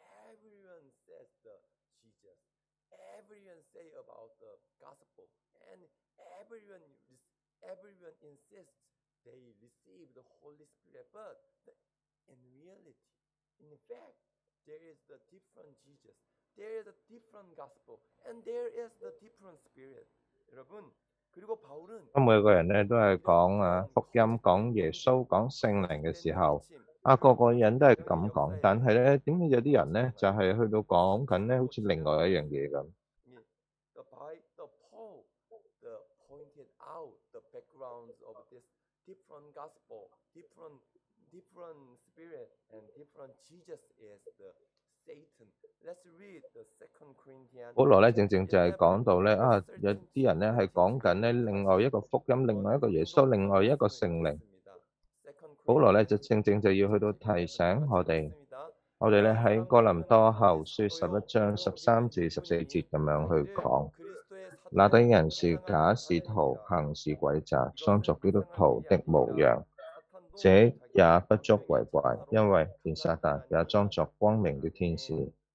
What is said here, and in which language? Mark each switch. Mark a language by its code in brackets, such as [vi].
[en] Everyone says the Jesus. Everyone say about the gospel, and everyone insists they receive the Holy Spirit. But in reality, in fact, there is the different Jesus, there is a different gospel, and there is the different spirit. [ko] 여러분그리고바울은 [zh] 每个人都是讲福音、讲耶稣、讲圣灵的时候。各个人都是这样讲，但是为什么有些人呢就是去到讲紧好像另外一样东西呢？ [en] The Bible, Paul, the pointed out the backgrounds of this different gospel, different spirit, and different Jesus is the Satan. Let's read the Second Corinthians. [zh] 保罗正正就是讲到有些人是讲紧另外一个福音，另外一个耶稣，另外一个圣灵。保罗就正正就要去到提醒我们，我们在哥林多后书十一章十三至十四节这样去讲，那等人是假使徒，行事诡诈，装作基督徒的模样，这也不足为怪，因为连撒旦也装作光明的天使。